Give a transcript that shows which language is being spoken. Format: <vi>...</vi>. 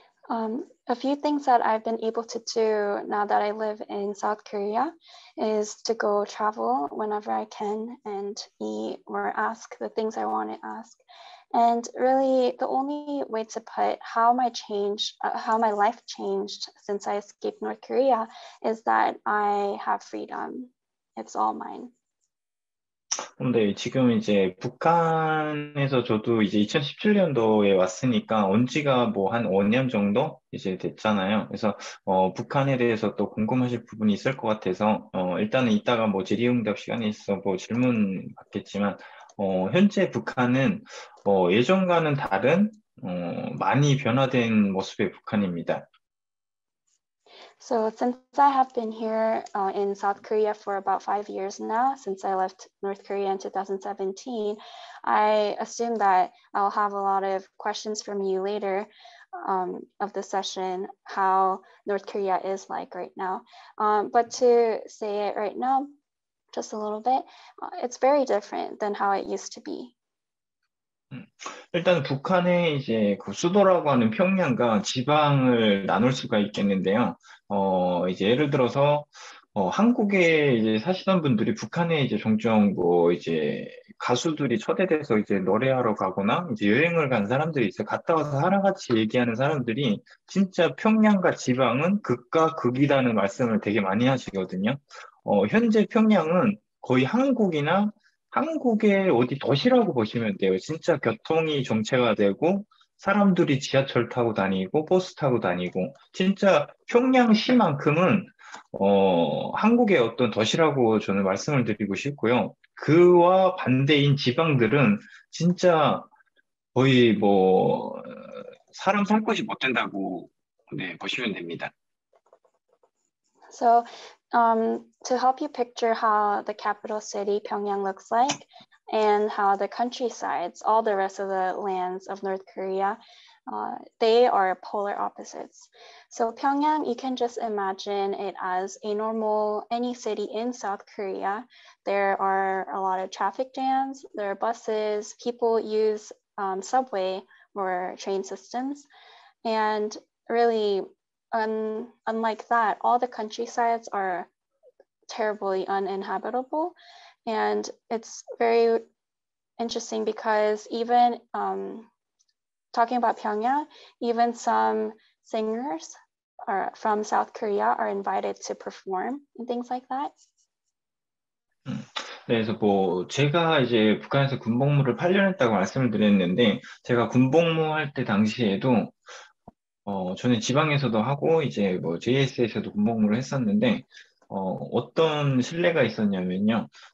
<en>A few things that I've been able to do now that I live in South Korea is to go travel whenever I can and eat or ask the things I want to ask. And really, the only way to put how my life changed since I escaped North Korea is that I have freedom. It's all mine.</en> <ko>근데 지금 이제 북한에서 저도 이제 2017년도에 왔으니까 온 지가 뭐한 5년 정도 이제 됐잖아요. 그래서 북한에 대해서 또 궁금하실 부분이 있을 것 같아서 일단은 이따가 뭐 질의응답 시간에 있어 뭐 질문 받겠지만 현재 북한은 예전과는 다른 많이 변화된 모습의 북한입니다. So since I have been here in South Korea for about 5 years now, since I left North Korea in 2017, I assume that I'll have a lot of questions from you later of the session, how North Korea is like right now. But to say it right now, just a little bit, it's very different than how it used to be. 일단 북한의 이제 그 수도라고 하는 평양과 지방을 나눌 수가 있겠는데요. 이제 예를 들어서 한국에 이제 사시던 분들이 북한에 이제 종종 뭐 이제 가수들이 초대돼서 이제 노래하러 가거나 이제 여행을 간 사람들이 있어요. 갔다 와서 하나같이 얘기하는 사람들이 진짜 평양과 지방은 극과 극이라는 말씀을 되게 많이 하시거든요. 현재 평양은 거의 한국이나 한국의 어디 도시라고 보시면 돼요. 진짜 교통이 정체가 되고, 사람들이 지하철 타고 다니고, 버스 타고 다니고, 진짜 평양시만큼은, 한국의 어떤 도시라고 저는 말씀을 드리고 싶고요. 그와 반대인 지방들은 진짜 거의 뭐, 사람 살 곳이 못 된다고, 네, 보시면 됩니다.</ko> <en>So, to help you picture how the capital city Pyongyang looks like and how the countrysides, all the rest of the lands of North Korea, they are polar opposites. So, Pyongyang, you can just imagine it as a normal any city in South Korea. There are a lot of traffic jams, there are buses, people use subway or train systems, and really. Unlike that, all the countrysides are terribly uninhabitable. And it's very interesting because even talking about Pyongyang, even some singers are from South Korea are invited to perform and things like that.</en> <ko>그래서 뭐 제가 이제 북한에서 군복무를 8년 했다고 말씀을 드렸는데 제가 군복무할 때 당시에도 저는 지방에서도 하고 이제 뭐 JSA에서도 군복무를 했었는데 어떤 신뢰가 있었냐면요.</ko>